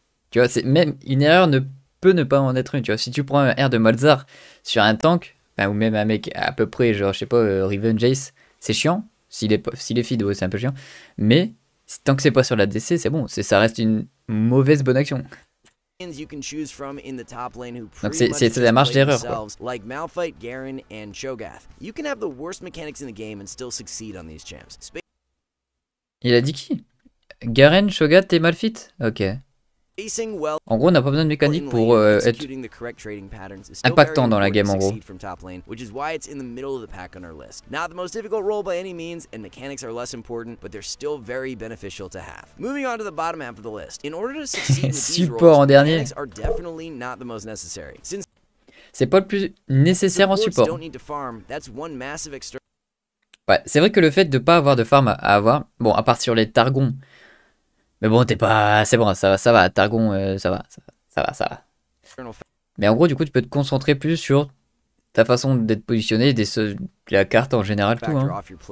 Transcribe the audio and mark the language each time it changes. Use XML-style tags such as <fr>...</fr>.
<fr>Tu vois, c'est même une erreur ne peut ne pas en être une. Tu vois, si tu prends un R de Malzar sur un tank. Enfin, ou même un mec à peu près, genre, je sais pas, Riven Jace, c'est chiant. S'il est feed, ouais, c'est un peu chiant. Mais tant que c'est pas sur la DC, c'est bon. Ça reste une mauvaise bonne action.</fr> <en>skins you can choose from in the top lane who pretty much play themselves, like Malphite, Garen, and Cho'Gath. You can have the worst mechanics in the game and still succeed on these champs.</en> <fr>Il a dit qui? Garen, Cho'Gath et Malphite? Ok.</fr> <en>Pacing well,</en> <fr>en gros, on n'a pas besoin de mécanique pour être impactant dans la game, en gros.</fr> <en>Top lane, which is why it's in the middle of the pack on our list. Not the most difficult role by any means, and mechanics are less important, but they're still very beneficial to have. Moving on to the bottom half of the list. In order to support roles,</en> <fr>en dernier.</fr> <en>Are definitely not the most necessary. Since</en> <fr>c'est pas le plus nécessaire en support.</fr> <en>Don't need to farm, that's one massive external.</en> <fr>Ouais, c'est vrai que le fait de pas avoir de farm à avoir, bon, à part sur les Targons. Mais bon, t'es pas, c'est bon, ça va, Targon, ça va. Mais en gros, du coup, tu peux te concentrer plus sur ta façon d'être positionné, la carte en général, tout, hein.</fr>